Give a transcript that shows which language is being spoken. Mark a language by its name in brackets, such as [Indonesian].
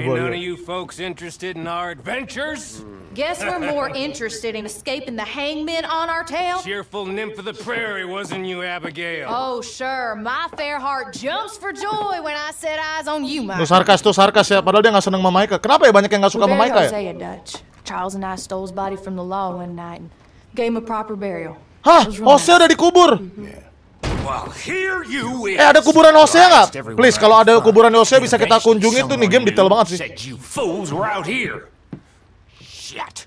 [English] yet. Ain't none of you folks interested in our adventures? Guess we're more interested in escaping the hangman on our tail? Cheerful nymph of the prairie, wasn't you, Abigail? Oh, sure. My fair heart jumps for joy when I set eyes on you, Mike. [Indonesian] Itu sarkas, itu sarkas ya. Padahal dia gak seneng sama Micah. Kenapa ya banyak yang gak suka sama Micah ya? [English] We buried Hosea, Dutch. Charles and I stole his body from the law one night and gave him a proper burial. [Indonesian] Hah? Hosea udah dikubur? [English] Yeah. [Indonesian] Eh ada kuburan Hosea nggak? Please kalau ada kuburan Hosea bisa kita kunjungi tuh nih game detail banget sih. [English] Shit.